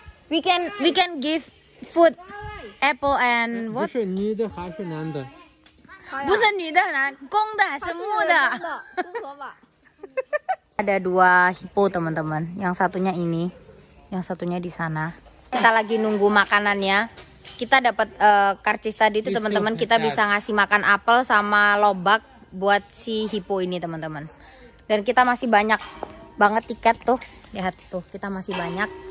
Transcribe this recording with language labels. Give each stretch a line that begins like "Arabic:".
English: We can give food apple and what?
Chinese: 不是女的还是男的? 不是女的,公的还是母的? 公的吧。
Indonesian: Ada 2 hippo teman-teman. Yang satunya ini, yang satunya di sana. Kita lagi nunggu makanannya. Kita dapat karcis tadi itu teman-teman, kita bisa ngasih makan apel sama lobak buat si hippo ini teman-teman. Dan kita masih banyak banget tiket tuh. Lihat tuh, kita masih banyak.